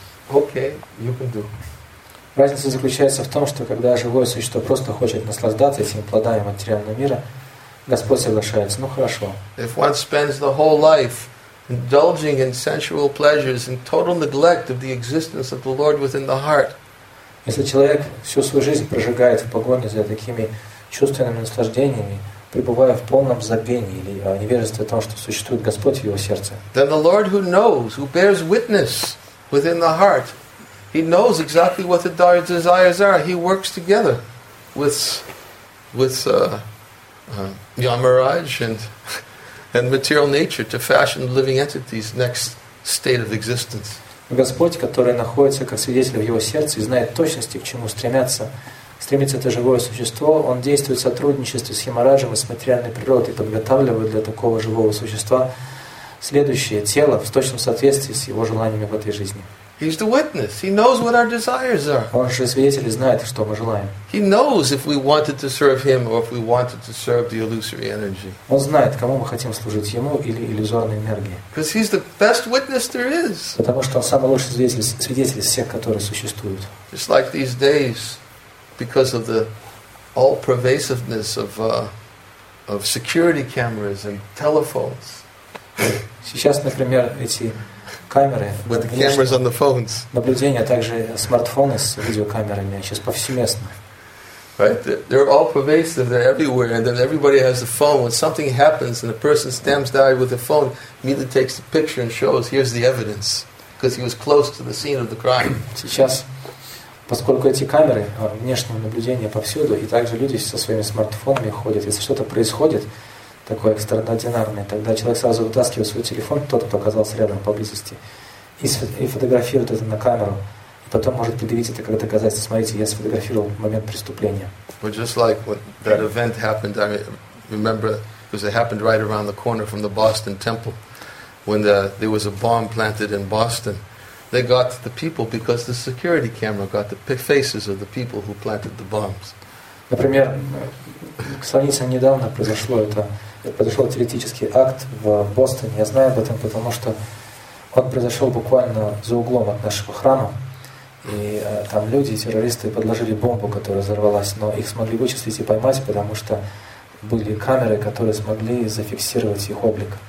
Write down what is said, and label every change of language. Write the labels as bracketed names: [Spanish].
[English] Okay, you can do. [Russian] Разница заключается в том, что когда живое существо просто хочет наслаждаться этими плодами материального мира, Господь соглашается. Ну хорошо. [English] If one spends the whole life indulging in sensual pleasures in total neglect of the existence of the Lord within the heart. [Russian] Если человек всю свою жизнь прожигает в погоне за такими чувственными наслаждениями, пребывая в полном забвении или невежестве о том, что существует Господь в его сердце. [English] Then the Lord who knows, who bears witness within the heart, He knows exactly what the desires are. He works together with Yamaraj and material nature to fashion the living entity's next state of existence. [Russian] Господь, который находится как свидетель в его сердце и знает точности, к чему стремится это живое существо, он действует в сотрудничестве с Ямараджем и с материальной природой, подготавливая для такого живого существа следующее тело в точном соответствии с его желаниями в этой жизни. [English] He's the witness. He knows what our desires are. [Russian] Он же свидетель и знает, что мы желаем. [English] He knows if we wanted to serve him or if we wanted to serve the illusory energy. [Russian] Он знает, кому мы хотим служить, ему или иллюзорной энергии. [English] Because he's the best witness there is. [Russian] Потому что он самый лучший свидетель из всех, которые существуют. [English] Just like these days, because of the all-pervasiveness of security cameras and telephones. [Russian] Сейчас, например, эти камеры, [English] with the cameras on the phones. [Russian] Наблюдение, а также смартфоны с видеокамерами сейчас повсеместно. [English] Right? They're all pervasive, they're everywhere, and then everybody has a phone. When something happens and a person stands there with a phone, immediately takes the picture and shows, here's the evidence, because he was close to the scene of the crime. [Russian] Сейчас, поскольку эти камеры, внешнее наблюдение повсюду, и также люди со своими смартфонами ходят, если что-то происходит, такое экстраординарное, тогда человек сразу вытаскивает свой телефон, тот, кто оказался рядом поблизости, и фотографирует это на камеру, и потом может предъявить это как доказательство. Смотрите, я сфотографировал момент преступления. [English] Well, just like when that event happened, I remember, because it happened right around the corner from the Boston Temple, when there was a bomb planted in Boston, they got the people because the security camera got the faces of the people who planted the bombs. [Russian] Например, сравнится недавно произошло это. Произошел террористический акт в Бостоне. Я знаю об этом, потому что он произошел буквально за углом от нашего храма. И там люди, террористы, подложили бомбу, которая взорвалась. Но их смогли вычислить и поймать, потому что были камеры, которые смогли зафиксировать их облик.